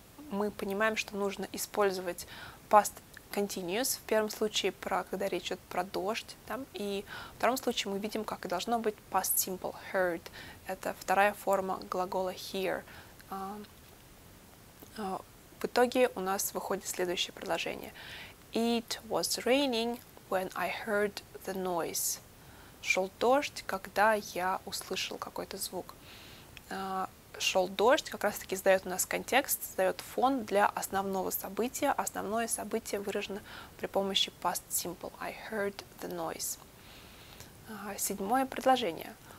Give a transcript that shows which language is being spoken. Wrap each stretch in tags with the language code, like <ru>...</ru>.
<ru>Мы понимаем, что нужно использовать past continuous, в первом случае, когда речь идет про дождь, да? И в втором случае мы видим, как и должно быть past simple, heard. Это вторая форма глагола hear. В итоге у нас выходит следующее предложение.</ru> <en>It was raining when I heard the noise.</en> <ru>Шел дождь, когда я услышал какой-то звук. Шел дождь как раз-таки задает у нас контекст, задает фон для основного события. Основное событие выражено при помощи past simple.</ru> <en>I heard the noise.</en> <ru>Седьмое предложение.</ru>